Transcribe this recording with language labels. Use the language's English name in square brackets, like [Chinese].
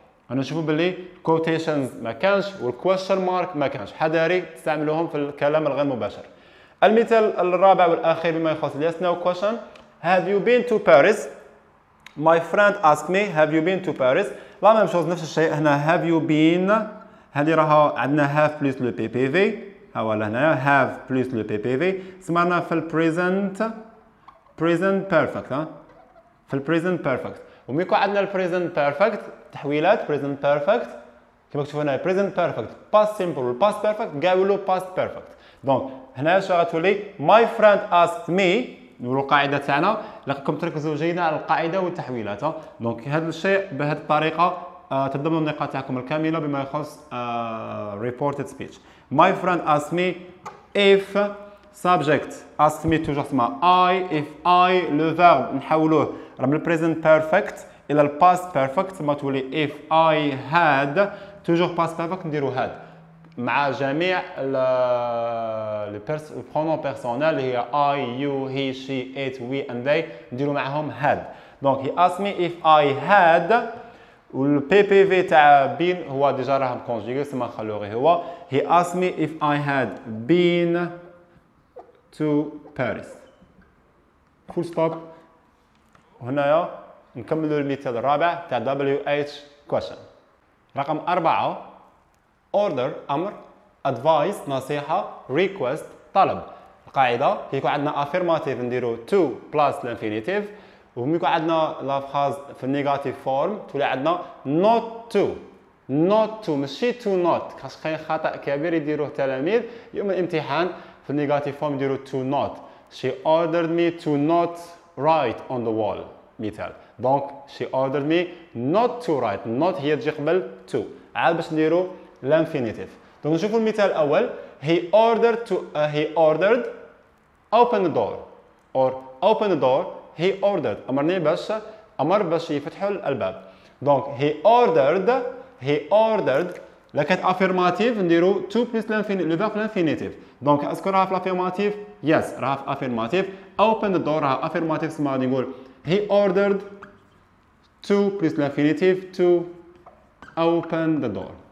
[Arabic] انا نشوفو بلي quotations ما كانش والquestion mark ما كانش حذاري تستعملوهم في الكلام الغير مباشر. المثال الرابع والاخير بما يخص yes no question. [English] have you been to Paris my friend asked me have you been to Paris. [Arabic] لا ميم شوز نفس الشيء هنا. [English] have you been [Arabic] هذه راها عندنا [English] have plus le PPV [Arabic] هاولا هنايا have plus le PPV. سمعنا في [English] present perfect في present perfect. [Arabic] وميكو عندنا [English] present perfect تحويلات present perfect [Arabic] كما تشوفوا هنا [English] present perfect past simple past perfect قاولوا past perfect. [Arabic] دونك هنا اش غتولي [English] my friend asked me [Arabic] نقولوا القاعده تاعنا لكم تركزوا جيدا على القاعده والتحويلات. دونك هذا الشيء بهذه الطريقه تضمنوا النقاط تاعكم الكامله بما يخص reported speech. [English] my friend asked me if subject asked me to just my I if I le verb [Arabic] نحاولوه راه من [English] present perfect الى past perfect ما تولي if I had toujours past perfect نديرو had [Arabic] مع جميع ال [English] pronoun personnel اللي هي I you he she it we and they [Arabic] نديرو معهم [English] had. [Arabic] دونك [English] he asked me if I had [Arabic] وال PPV تاع been هو ديجا راه مكونجيغي سما خلوه غير هو. [English] he asked me if I had been to Paris full stop. [Arabic] هنايا نكملوا المثال الرابع تاع WH question رقم 4 order امر advice نصيحه request طلب. القاعده كي يكون عندنا affirmative نديرو [English] to plus infinitive [Arabic] وملي يكون عندنا la phrase في [English] negative form [Arabic] تولي عندنا not to. [English] not to [Arabic] ماشي [English] to not [Arabic] كاش كاين خطا كبير يديروه تلاميذ يوم الامتحان في النيجاتيف فورم يديرو to not. [English] she ordered me to not write on the wall مثال. [Arabic] دونك [English] she ordered me not to write [Arabic] not هي تجي قبل to عاد باش نديرو لانفينيتيف. دونك نشوفو المثال الاول [English] he ordered open the door or open the door he ordered [Arabic] امرني باش امر باش يفتحو الباب. دونك [English] he ordered [Arabic] لكن افيرماتيف نديرو تو بليس لانفينيتيف لو فيرب لانفينيتيف. دونك اسكو راه في افيرماتيف يس راه في افيرماتيف. [English] open the door [Arabic] راه افيرماتيف سما غادي نقول هي اوردرد تو بليس لانفينيتيف [English] To open the door.